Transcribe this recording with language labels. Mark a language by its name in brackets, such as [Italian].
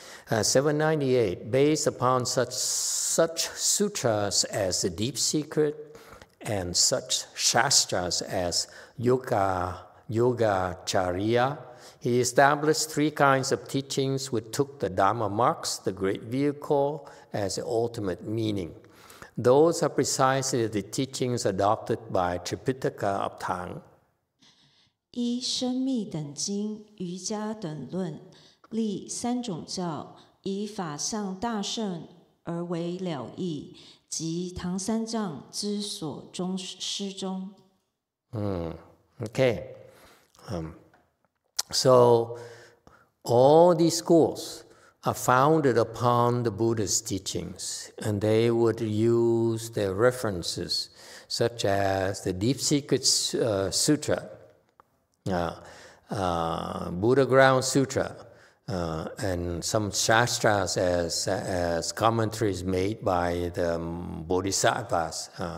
[English] 798, based upon such sutras as the Deep Secret and such shastras as Yogacharya, he established three kinds of teachings which took the Dharma marks, the great vehicle, as the ultimate meaning. Those are precisely the teachings adopted by Tripitaka of Tang. [Chinese] 依生密等经、瑜伽等论，立三种教，以法相大圣而为了义，即唐三藏之所宗师宗。 [English] Okay. So all these schools are founded upon the Buddha's teachings, and they would use their references, such as the Deep Secret Sutra, Buddha Ground Sutra, and some shastras as commentaries made by the bodhisattvas,